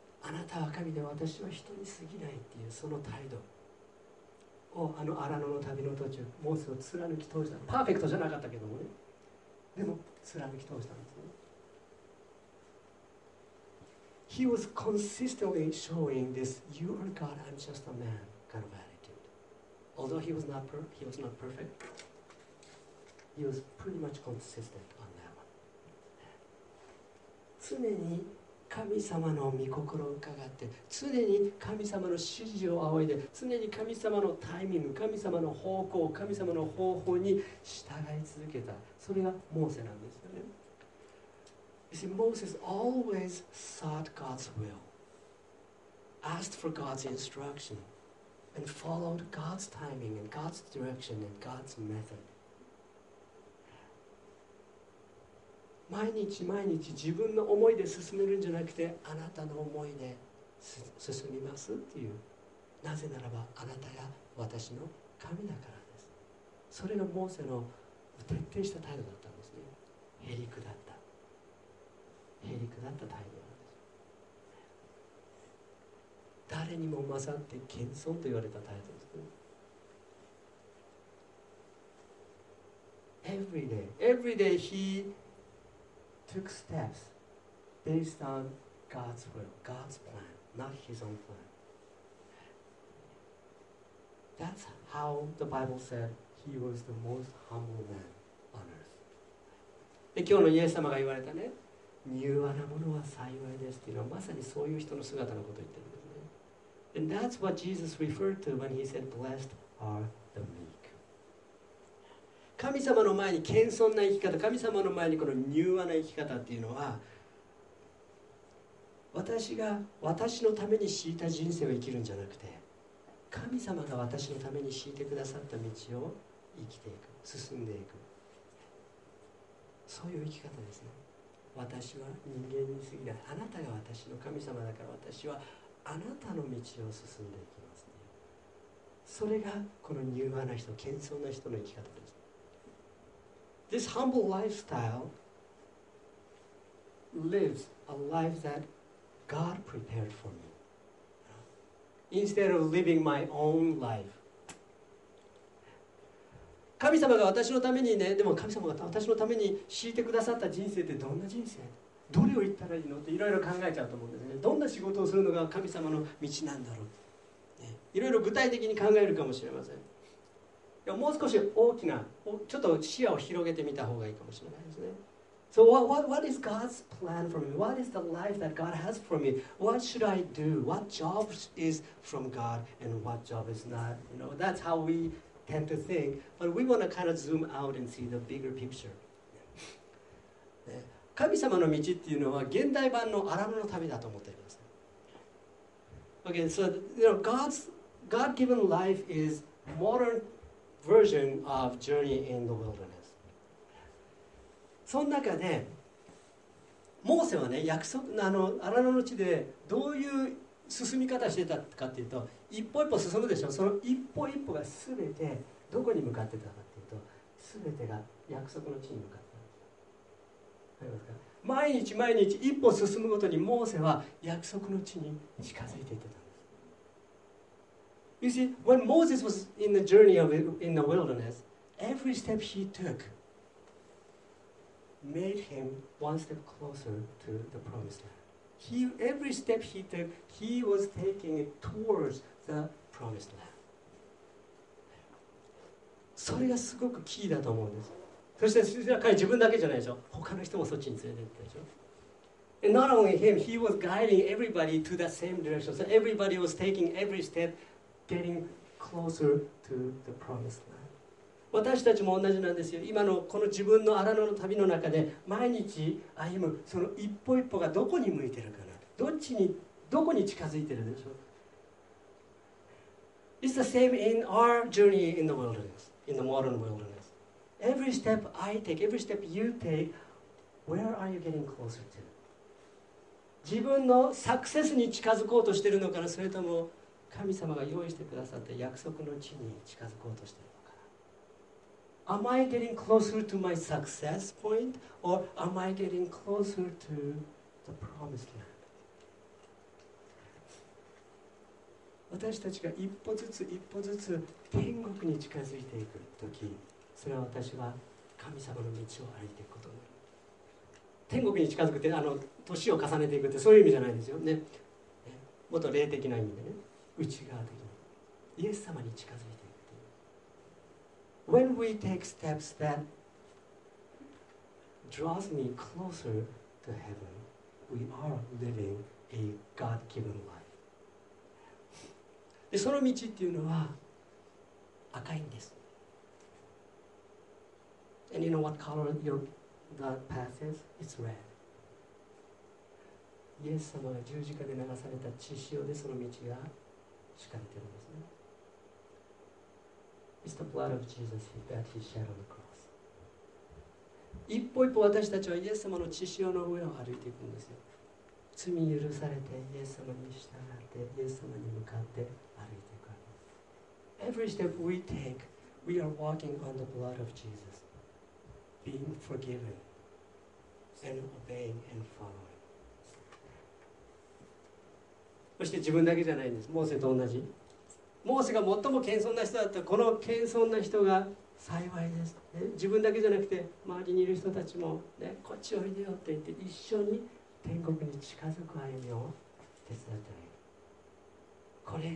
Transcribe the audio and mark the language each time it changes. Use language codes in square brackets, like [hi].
[ja] あなたは神で私は人に過ぎないっていうその態度を、あの荒野の旅の途中、モーセを貫き通した。パーフェクトじゃなかったけどもね、でも貫き通したんですね。 [en] He was consistently showing this, you are God, I'm just a man kind of attitude. Although he was not perfect, he was pretty much consistent on that one. [ja] 常に神様の御心を伺って、常に神様の指示を仰いで、常に神様のタイミング、神様の方向、神様の方法に従い続けた。それがモーセなんですよね。 [en] You see, Moses always sought God's will, asked for God's instruction, and followed God's timing and God's direction and God's method. [ja] 毎日毎日自分の思いで進めるんじゃなくて、あなたの思いで進みますっていう。なぜならば、あなたが私の神だからです。それがモーセの徹底した態度だったんですね。へりくだった。へりくだった態度なんです。誰にも勝って謙遜と言われた態度ですね。 [en] Every day he took steps based on God's will, God's plan, not his own plan. That's how the Bible said he was the most humble man on earth. [ja] で、今日のイエス様が言われたね、柔和なものは幸いですっていうのは、まさにそういう人の姿のことを言ってるんですね。 [en] And that's what Jesus referred to when he said, blessed are the meek. [ja] 神様の前に謙遜な生き方、神様の前にこの柔和な生き方っていうのは、私が私のために敷いた人生を生きるんじゃなくて、神様が私のために敷いてくださった道を生きていく、進んでいく、そういう生き方ですね。私は人間に過ぎない。あなたが私の神様だから、私はあなたの道を進んでいきますね。それがこの柔和な人、謙遜な人の生き方です。 [en] This humble lifestyle lives a life that God prepared for me. Instead of living my own life. [ja] 神様が私のためにね、でも神様が私のために敷いてくださった人生ってどんな人生？どれを言ったらいいのっていろいろ考えちゃうと思うんですね。どんな仕事をするのが神様の道なんだろう、ね、いろいろ具体的に考えるかもしれません。いや、もう少し大きな、ちょっと視野を広げてみた方がいいかもしれないですね。 [en] So what is God's plan for me? What is the life that God has for me? What should I do? What job is from God and what job is not? You know, that's how we... tend to think, but we want to kind of zoom out and see the bigger picture. [ja] 神様の道っていうのは現代版の荒野の旅だと思っています。 [en] Okay, so you know, God-given life is modern version of journey in the wilderness. [ja] その中で、モーセはね、約束のあの荒野の地でどういう進み方してたかっていうと、一歩一歩進むでしょ。その一歩一歩が全てどこに向かってたかっていうと、全てが約束の地に向かってたんですよ。わかりますか？毎日毎日一歩進むごとに、モーセは約束の地に近づいていってたんです。 [en] You see, when Moses was in the journey of in the wilderness, every step he took made him one step closer to the promised land. Every step he took, he was taking it towards the promised land. [ja] それがすごくキーだと思うんです。そして彼自分だけじゃないでしょ。他の人もそっちに連れて行ったでしょ。 [en] And not only him, he was guiding everybody to the same direction. So everybody was taking every step, getting closer to the promised land. [ja] 私たちも同じなんですよ。今のこの自分の荒野の旅の中で、毎日歩むその一歩一歩がどこに向いてるかな。どっちに、どこに近づいてるでしょ。 [en] It's the same in our journey in the wilderness, in the modern wilderness. Every step I take, every step you take, where are you getting closer to? [ja] 自分のサクセスに近づこうとしているのかな、それとも神様が用意してくださった約束の地に近づこうとしているのかな。 [en] Am I getting closer to my success point, or am I getting closer to the promised land? [ja] 私たちが一歩ずつ一歩ずつ天国に近づいていくとき、それは私は神様の道を歩いていくことになる。天国に近づくって年を重ねていくってそういう意味じゃないですよね。もっと霊的な意味でね、内側的にイエス様に近づいていくっていう。 [en] When we take steps that draws me closer to heaven, we are living a God-given life. [ja] でその道っていうのは赤いんです。 [en] And you know what color that path is? It's red. [ja] イエス様が十字架で流された血潮でその道が敷かれてるんですね。 [en] It's the blood of Jesus that he shed on the cross. [ja] 一歩一歩私たちはイエス様の血潮の上を歩いていくんですよ。罪許されてイエス様に従ってイエス様に向かって歩いていくわけです。 [en] Every step we take, we are walking on the blood of Jesus, being forgiven and obeying and following. [ja] そして自分だけじゃないんです。モーセと同じ、モーセが最も謙遜な人だった。この謙遜な人が幸いです、ね、自分だけじゃなくて周りにいる人たちも、ね、こっちおいでよって言って一緒に天国に近づく歩みを手伝ってあげる。